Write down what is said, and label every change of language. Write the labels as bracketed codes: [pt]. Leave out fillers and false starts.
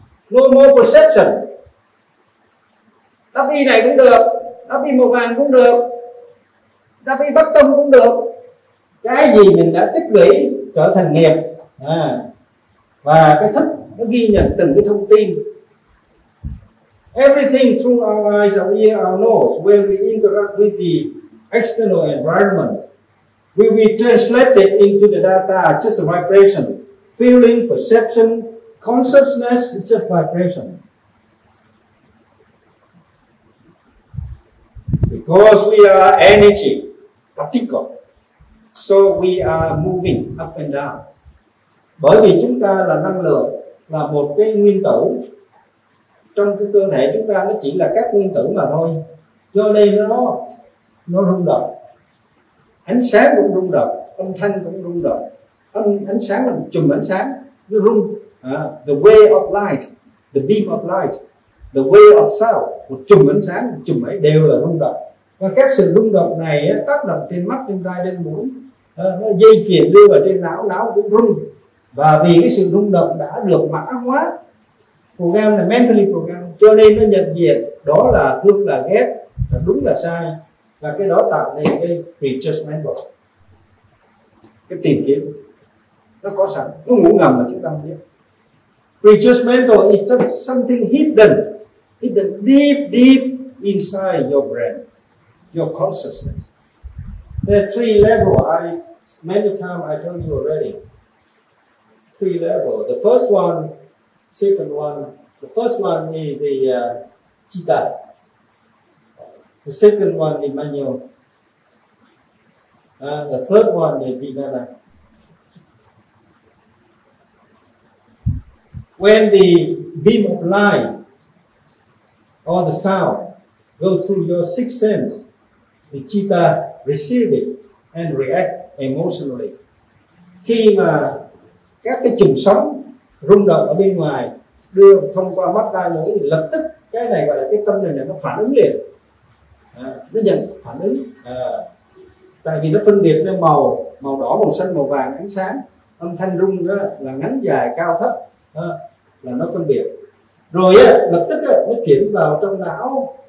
[en] No more perception. [vi] Đáp y này cũng được, đáp y màu vàng cũng được, đáp y bất tâm cũng được. Cái gì mình đã tích lũy trở thành nghiệp à, và cái thức nó ghi nhận từng cái thông tin. [en] Everything through our eyes, our ear, our nose, when we interact with the external environment, we will translate it into the data, just a vibration. Feeling, perception, consciousness is just vibration. Because we are energy, particle, so we are moving up and down. [vi] Bởi vì chúng ta là năng lượng, là một cái nguyên tử. Trong cái cơ thể chúng ta nó chỉ là các nguyên tử mà thôi. Cho nên nó rung động. Ánh sáng cũng rung động, âm thanh cũng rung động. Ánh sáng là chùm ánh sáng, nó rung. [en] The way of light, the beam of light, the way of sound, [vi] một chùm ánh sáng, một chùm ấy đều là rung động. Và các sự rung động này tác động trên mắt, trên tai, trên mũi, nó dây chuyền đưa vào trên não, não cũng rung. Và vì cái sự rung động đã được mã hóa, program là [en] mentally program, [vi] cho nên nó nhận diện đó là thương, là ghét, là đúng, là sai. Và cái đó tạo nên cái prejudgmental, cái tìm kiếm. Nó có sẵn, nó ngủ ngầm mà chúng ta không biết. [en] Prejudgmental is just something hidden, hidden deep, deep inside your brain, your consciousness. There are three levels, many times I told you already. Three levels. The first one, second one, the first one is the Chitta. The second one is Manyo. The third one is Vinyana. When the beam of light or the sound go through your six sense, the chitta receive it and react emotionally. [vi] Khi mà các cái chùm sóng rung động ở bên ngoài đưa thông qua mắt tai mũi thì lập tức cái này gọi là cái tâm này nó phản ứng liền, nó nhận phản ứng, tại vì nó phân biệt ra màu màu đỏ, màu xanh, màu vàng, ánh sáng, âm thanh rung đó là ngắn dài, cao thấp, là nó phân biệt rồi lập tức nó chuyển vào trong não.